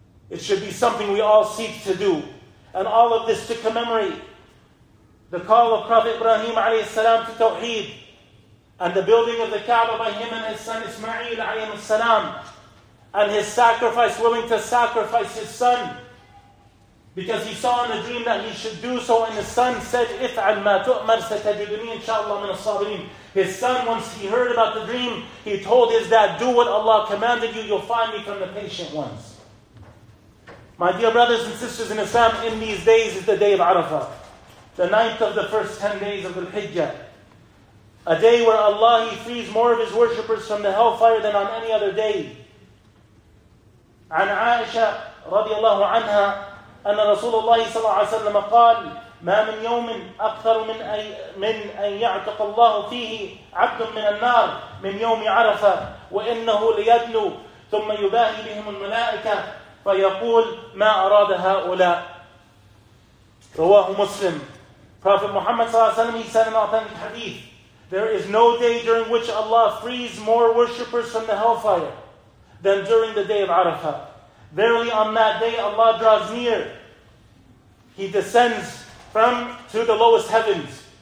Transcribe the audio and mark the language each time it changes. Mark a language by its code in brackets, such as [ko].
[en] It should be something we all seek to do. And all of this to commemorate the call of Prophet Ibrahim alayhi salam to Tawheed. And the building of the Kaaba by him and his son Ismail alayhi salam. And his sacrifice, willing to sacrifice his son. Because he saw in a dream that he should do so. And his son said, [ar] إِفْعَلْ مَا تُؤْمَرْ سَتَجِدُنِي إِنْشَاءَ اللَّهُ مِنَ الصَّابِرِينَ. [en] His son, once he heard about the dream, he told his dad, do what Allah commanded you, you'll find me from the patient ones. My dear brothers and sisters in Islam, in these days is the day of Arafah. The ninth of the first 10 days of the Hijjah. A day where Allah, He frees more of His worshippers from the hellfire than on any other day. [ar] عن عائشة رضي الله عنها أن رسول الله صلى الله عليه وسلم قال ما من يوم أكثر من أن يعتق الله فيه عبد من النار من يوم عرفة وإنه ليدنو ثم يباهي بهم الملائكة فيقول ما أراد هؤلاء رواه مسلم. [en] Prophet Muhammad صلى الله عليه وسلم, he said in authentic hadith, there is no day during which Allah frees more worshippers from the hellfire than during the day of Arafah. Verily on that day Allah draws near. He descends from to the lowest heavens.